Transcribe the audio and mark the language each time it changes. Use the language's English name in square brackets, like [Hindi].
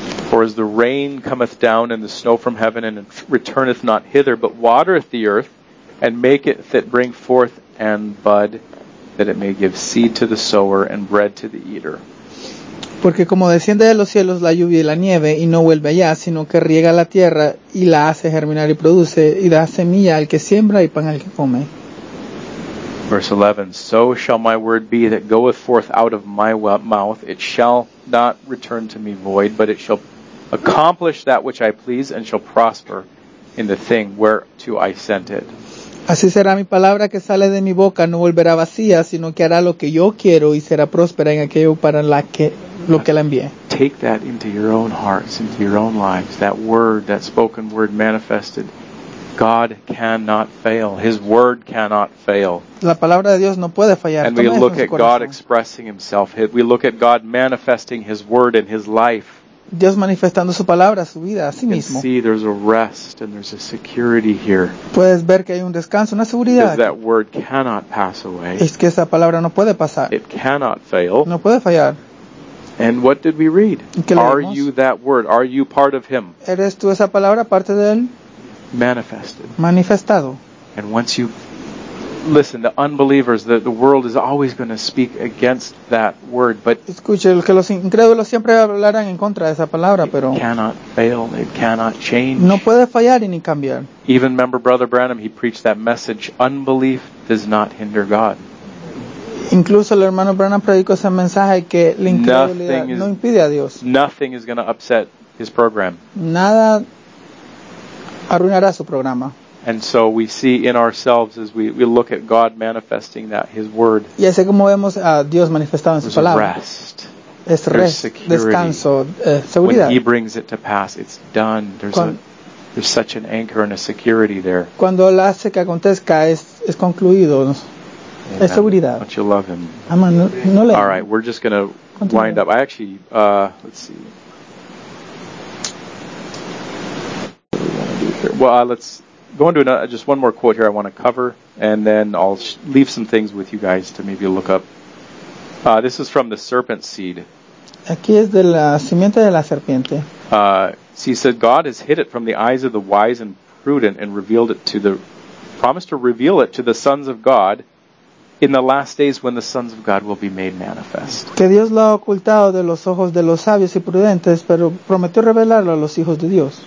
[English] For as the rain cometh down and the snow from heaven and it returneth not hither, but watereth the earth and maketh it bring forth and bud, that it may give seed to the sower and bread to the eater. [Spanish] Porque como desciende de los cielos la lluvia y la nieve y no vuelve allá, sino que riega la tierra y la hace germinar y produce y da semilla al que siembra y pan al que come. [English] Verse 11. So shall my word be that goeth forth out of my mouth; it shall not return to me void, but it shall accomplish that which I please and shall prosper in the thing whereto I sent it. [Spanish] Así será mi palabra que sale de mi boca, no volverá vacía, sino que hará lo que yo quiero y será próspera en aquello para la que lo que la envié. [English] Take that into your own hearts, into your own lives. That word, that spoken word manifested. God cannot fail. His word cannot fail. [Spanish] La palabra de Dios no puede fallar. [English] And we look at God expressing himself. We look at God manifesting his word in his life. [Spanish] Dios manifestando su palabra, su vida, a sí mismo. [English] You can see there's a rest and there's a security here. [Spanish] Puedes ver que hay un descanso, una seguridad. [English] Because that word cannot pass away. [Spanish] Es que esa palabra no puede pasar. [English] It cannot fail. [Spanish] No puede fallar. [English] And what did we read? [Spanish] ¿Qué leemos? [English] Are you that word? Are you part of him? [Spanish] ¿Eres tú esa palabra, parte de él? [English] Manifested. [Spanish] Manifestado. [English] And once you listen, the unbelievers, the world is always going to speak against that word, but [Spanish] escuche, que los incrédulos siempre hablarán en contra de esa palabra, pero [English] it cannot fail, it cannot change. [Spanish] No puede fallar y ni cambiar. [English] Even remember Brother Branham, he preached that message, unbelief does not hinder God. [Spanish] Incluso el hermano Branham predicó ese mensaje que la incredulidad no impide a Dios. [English] Nothing is going to upset his program. [Spanish] Nada arruinará su programa. [English] And so we see in ourselves as we look at God manifesting that his word. [Spanish] Y así como vemos a Dios manifestado en su palabra. [English] Rest. [Spanish] Es [English] rest, security. [Spanish] Descanso, seguridad. [English] When he brings it to pass, it's done. There's such an anchor and a security there. [Spanish] Cuando él hace que acontezca, es concluido. Es seguridad. [English] Don't you love him? [Spanish] Ama, no le. [English] All right, we're just going to wind up. I actually, let's see. Well, let's go into another, just one more quote here I want to cover, and then I'll leave some things with you guys to maybe look up. This is from the serpent seed. [Spanish] Aquí es de la simiente de la serpiente. [English] So he said, God has hid it from the eyes of the wise and prudent and revealed it to the, promised to reveal it to the sons of God in the last days when the sons of God will be made manifest. [Spanish] Que Dios lo ha ocultado de los ojos de los sabios y prudentes, pero prometió revelarlo a los hijos de Dios.